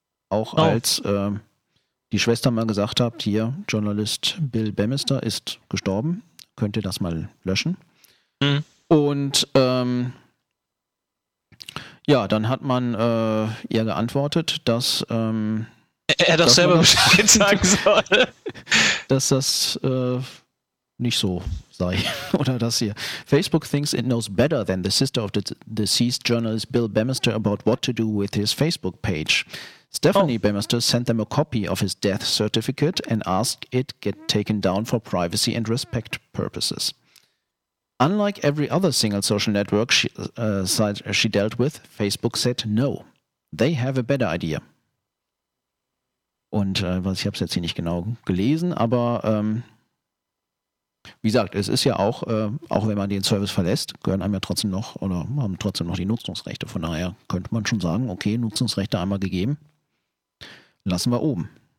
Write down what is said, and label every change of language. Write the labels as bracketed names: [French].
[German] Auch als die Schwester mal gesagt hat, hier, Journalist Bill Bemister ist gestorben, könnt ihr das mal löschen. Mhm. Und ja, dann hat man ihr geantwortet, dass er doch selber Bescheid sagen soll. Dass das nicht so sei. Oder das hier. [English] Facebook thinks it knows better than the sister of the deceased journalist Bill Bemister about what to do with his Facebook page. Stephanie Bemister sent them a copy of his death certificate and asked it get taken down for privacy and respect purposes. Unlike every other single social network she dealt with, Facebook said no. They have a better idea. [German] Und ich habe es jetzt hier nicht genau gelesen, aber wie gesagt, es ist ja auch, auch wenn man den Service verlässt, gehören einem ja trotzdem noch oder haben trotzdem noch die Nutzungsrechte. Von daher könnte man schon sagen, okay, Nutzungsrechte einmal gegeben, lassen wir oben.